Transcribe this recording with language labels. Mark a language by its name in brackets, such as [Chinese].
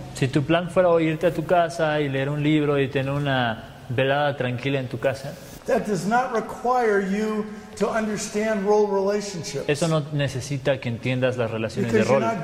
[Spanish] Si tu plan fuera irte a tu casa y leer un libro y tener una velada tranquila en tu casa. [English] That does not require you to understand role relationships. [Spanish] Eso no necesita que entiendas las relaciones de rol.